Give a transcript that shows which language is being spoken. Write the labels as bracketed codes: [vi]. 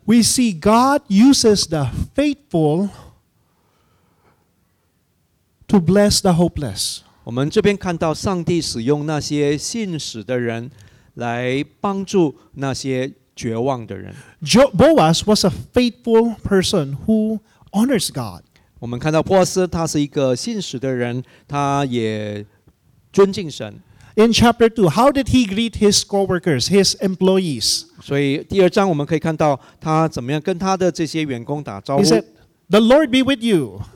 [en] We see God uses the faithful to bless the hopeless. [zh] 我们这边看到上帝使用那些信使的人来帮助那些绝望的人。 [en] Boaz was a faithful person who honors God. [zh] 我们看到波阿斯他是一个信使的人他也尊敬神。 [en] In chapter 2, how did he greet his co-workers, his employees? [zh] 所以第二章我们可以看到他怎么样跟他的这些员工打招呼。 [en] He said, the Lord be with you.